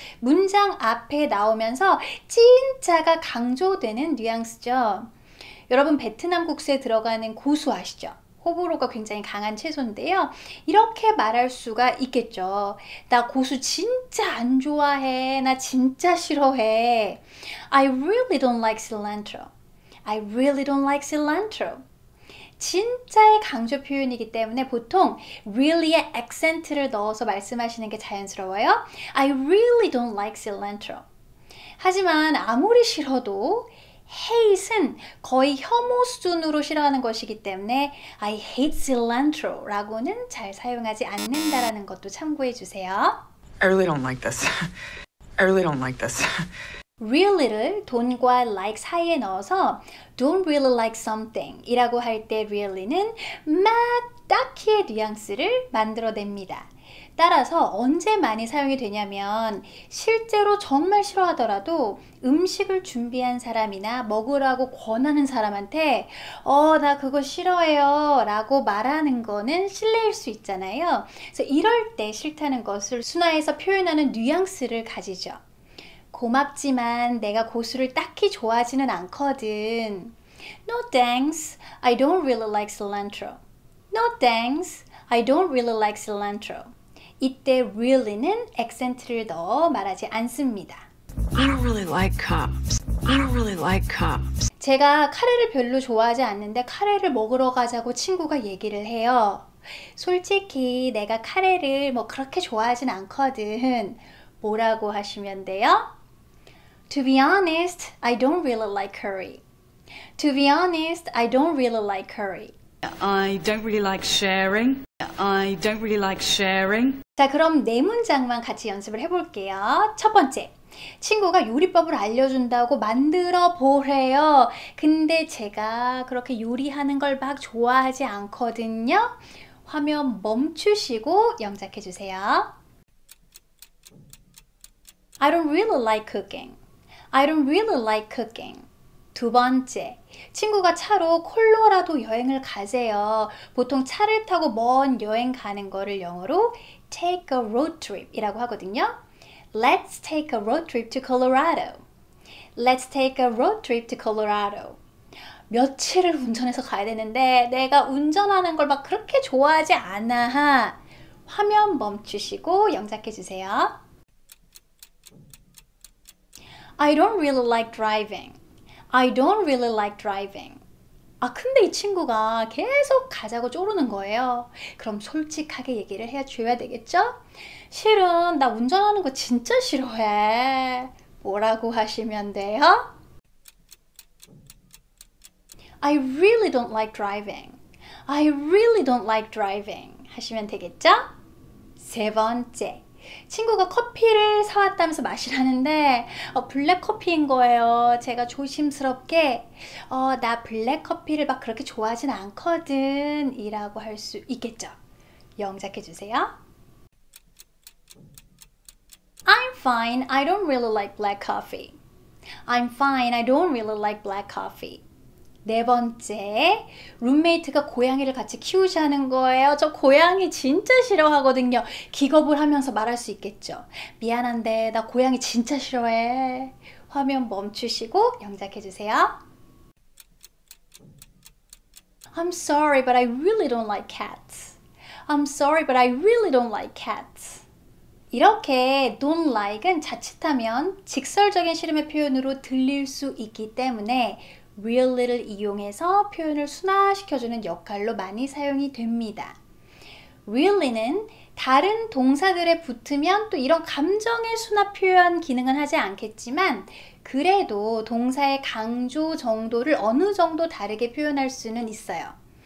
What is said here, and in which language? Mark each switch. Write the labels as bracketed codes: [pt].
[ko] 문장 앞에 나오면서 진짜가 강조되는 뉘앙스죠. 여러분, 베트남 국수에 들어가는 고수 아시죠? 호불호가 굉장히 강한 채소인데요. 이렇게 말할 수가 있겠죠. 나 고수 진짜 안 좋아해. 나 진짜 싫어해. [en] I really don't like cilantro. I really don't like cilantro. [ko] 진짜의 강조 표현이기 때문에 보통 really의 accent를 넣어서 말씀하시는 게 자연스러워요. [en] I really don't like cilantro. [ko] 하지만 아무리 싫어도 hate은 거의 혐오 수준으로 싫어하는 것이기 때문에 [en] I hate cilantro [ko] 라고는 잘 사용하지 않는다라는 것도 참고해 주세요. [en] I really don't like this. I really don't like this. [ko] really를 don't과 like 사이에 넣어서 [en] don't really like something [ko] 이라고 할때 really는 막 딱히의 뉘앙스를 만들어 냅니다. 따라서 언제 많이 사용이 되냐면 실제로 정말 싫어하더라도 음식을 준비한 사람이나 먹으라고 권하는 사람한테 나 그거 싫어해요 라고 말하는 거는 실례일 수 있잖아요. 그래서 이럴 때 싫다는 것을 순화해서 표현하는 뉘앙스를 가지죠. 고맙지만 내가 고수를 딱히 좋아하지는 않거든. [en] No thanks. I don't really like cilantro. No thanks. I don't really like cilantro. [ko] 이때 really는 액센트를 넣어 말하지 않습니다. [en] I don't really like cops. I don't really like cops. [ko] 제가 카레를 별로 좋아하지 않는데 카레를 먹으러 가자고 친구가 얘기를 해요. 솔직히 내가 카레를 뭐 그렇게 좋아하진 않거든. 뭐라고 하시면 돼요? [en] To be honest, I don't really like curry. To be honest, I don't really like curry. I don't really like sharing. I don't really like sharing. [ko] 자, 그럼 네 문장만 같이 연습을 해볼게요. 첫 번째, 친구가 요리법을 알려준다고 만들어 보래요. 근데 제가 그렇게 요리하는 걸막 좋아하지 않거든요. 화면 멈추시고 영작해 주세요. [en] I don't really like cooking. I don't really like cooking. [ko] 두 번째, 친구가 차로 콜로라도 여행을 가세요. 보통 차를 타고 먼 여행 가는 거를 영어로 [en] take a road trip [ko] 이라고 하거든요. [en] Let's take a road trip to Colorado. Let's take a road trip to Colorado. [ko] 며칠을 운전해서 가야 되는데 내가 운전하는 걸막 그렇게 좋아하지 않아. 화면 멈추시고 영작해 주세요. [en] I don't really like driving. I don't really like driving. [ko] 아, 근데 이 친구가 계속 가자고 쪼르는 거예요. 그럼 솔직하게 얘기를 해줘야 되겠죠? 실은 나 운전하는 거 진짜 싫어해. 뭐라고 하시면 돼요? [en] I really don't like driving. I really don't like driving. [ko] 하시면 되겠죠? 세 번째. 친구가 커피를 사왔다면서 마시라는데 블랙 커피인 거예요. 제가 조심스럽게 나 블랙 커피를 막 그렇게 좋아하진 않거든 이라고 할수 있겠죠. 영작해 주세요. [en] I'm fine. I don't really like black coffee. I'm fine. I don't really like black coffee. [ko] 네 번째, 룸메이트가 고양이를 같이 키우자는 거예요. 저 고양이 진짜 싫어하거든요. 기겁을 하면서 말할 수 있겠죠. 미안한데, 나 고양이 진짜 싫어해. 화면 멈추시고 영작해 주세요. [en] I'm sorry, but I really don't like cats. I'm sorry, but I really don't like cats. [ko] 이렇게 don't like은 자칫하면 직설적인 싫음의 표현으로 들릴 수 있기 때문에 really를 이용해서 표현을 순화시켜주는 역할로 많이 사용이 됩니다. really는 다른 동사들에 붙으면 또 이런 감정의 순화 표현 기능은 하지 않겠지만 그래도 동사의 강조 정도를 어느 정도 다르게 표현할 수는 있어요.